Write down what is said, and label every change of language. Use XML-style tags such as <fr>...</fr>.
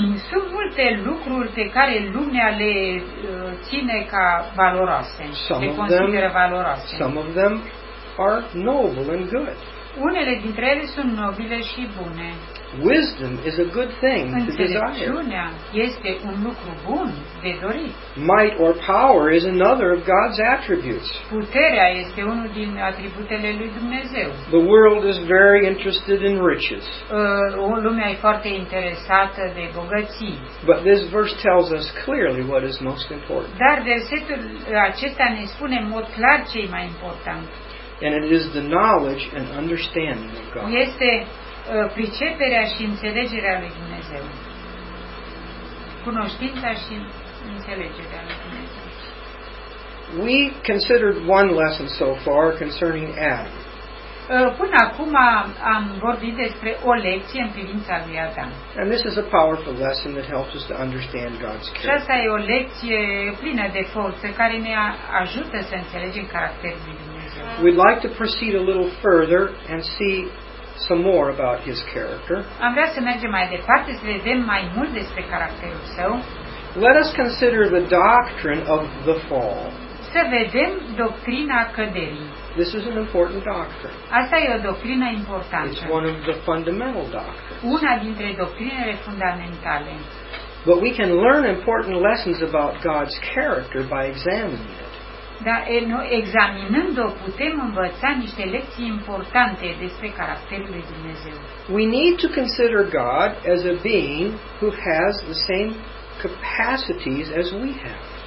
<ro>Sunt multe lucruri pe care lumea le ține ca valoroase,</ro> <en>some</en> <ro>le consideră valoroase.</ro> <en>Some of them are noble and good.</en> <ro>Unele dintre ele sunt nobile și bune.</ro> <en>Wisdom is a good thing to desire.</en> <ro>Înțelepciunea este un lucru bun de dorit.</ro> <en>Might or power is another of God's attributes.</en> <ro>Puterea este unul din atributele lui Dumnezeu.</ro> <en>The world is very interested in riches.</en> <ro>Lumea e foarte interesată de bogății.</ro> <en>But this verse tells us clearly what is most important.</en> <ro>Dar versetul acesta ne spune în mod clar ce e mai important.</ro> <en>And it is the knowledge and understanding of God.</en> <ro>Este priceperea și înțelegerea lui Dumnezeu. Cunoștința și înțelegerea lui Dumnezeu.</ro> <en>We considered one lesson so far concerning Adam.</en> <ro>Până acum am vorbit despre o lecție în privința lui Adam.</ro> <en>And this is a powerful lesson that helps us to understand God's character.</en> <ro>Și asta e o lecție plină de forță care ne ajută să înțelegem caracterul lui Dumnezeu.</ro> <en>We'd like to proceed a little further and see some more about his character.</en> <ro>Am vrea să mergem mai departe, să vedem mai mult despre caracterul său.</ro> <en>Let us consider the doctrine of the fall.</en> <ro>Să vedem doctrina căderii.</ro> <en>This is an important doctrine.</en> <ro>Asta e o doctrină importantă.</ro> <en>It's one of the fundamental doctrines.</en> <ro>Una dintre doctrinele fundamentale.</ro> <en>But we can learn important lessons about God's character by examining it.</en> <ro>Dar examinând-o putem învăța niște lecții importante despre caracterul lui Dumnezeu.</ro> <en>We need to consider God as a being who has the same capacities as we have.</en>